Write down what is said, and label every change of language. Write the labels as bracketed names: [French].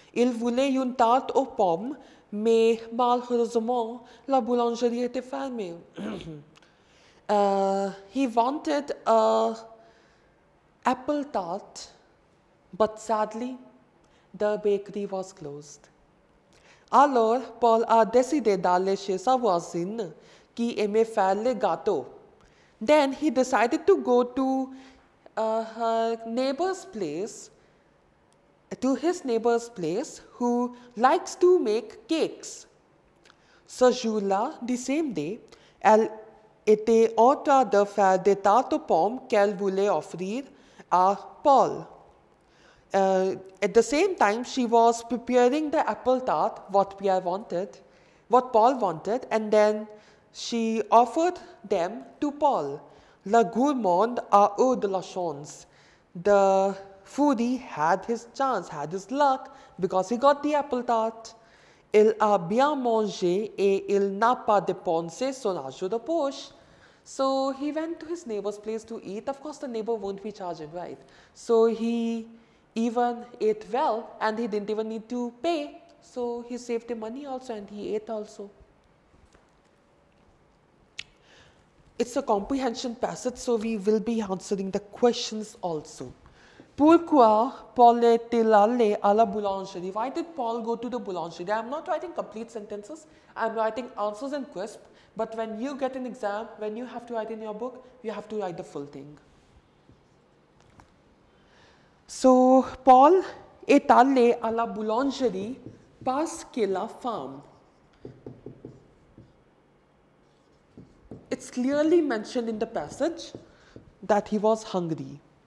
[French] Il voulait une tarte aux pommes. Mais malheureusement, la boulangerie était fermée. [English] He wanted an apple tart, but sadly, the bakery was closed. [French] Alors, Paul a décidé d'aller chez sa voisine qui aimait faire les gâteaux. [English] Then he decided to go to her neighbor's place, to his neighbor's place, who likes to make cakes. [French] Ce jour-là, [English] the same day, [French] elle était en train de faire des tartes aux pommes qu'elle voulait offrir à Paul. [English] At the same time, she was preparing the apple tart, what Pierre wanted, what Paul wanted, and then she offered them to Paul. [French] La gourmande a eu de la chance. [English] The foodie had his chance, had his luck, because he got the apple tart. [French] Il a bien mangé et il n'a pas dépensé son argent de poche. [English] So he went to his neighbor's place to eat. Of course, the neighbor won't be charging, right? So he even ate well and he didn't even need to pay. So he saved the money also and he ate also. It's a comprehension passage, so we will be answering the questions also. [French] Pourquoi Paul est-il allé à la boulangerie? [English] Why did Paul go to the boulangerie? I'm not writing complete sentences. I'm writing answers in crisp. But when you get an exam, when you have to write in your book, you have to write the full thing. [French] So, Paul est allé à la boulangerie parce qu'il a faim. [English] It's clearly mentioned in the passage that he was hungry.